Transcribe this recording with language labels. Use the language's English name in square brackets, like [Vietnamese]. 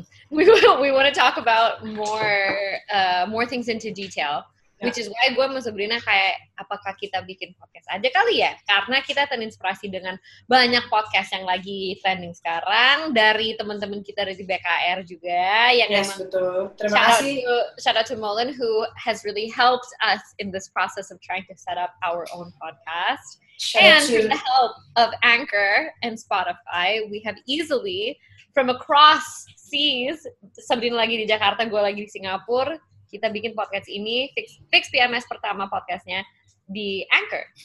[English] We want to talk about more things into detail. Yeah. Which is why [Indonesian] gue sama Sabrina kayak, apakah kita bikin podcast aja kali ya? Karena kita terinspirasi dengan banyak podcast yang lagi trending sekarang dari teman-teman kita dari BKR juga. Yang [English] yes, [Indonesian] betul. Terima kasih. [English] Shout out to Molin who has really helped us in this process of trying to set up our own podcast. Shout out to the help of Anchor and Spotify, we have easily, from across seas, [Indonesian] Sabrina lagi di Jakarta, gue lagi di Singapura, kita bikin podcast ini, Fix PMS pertama podcastnya di Anchor.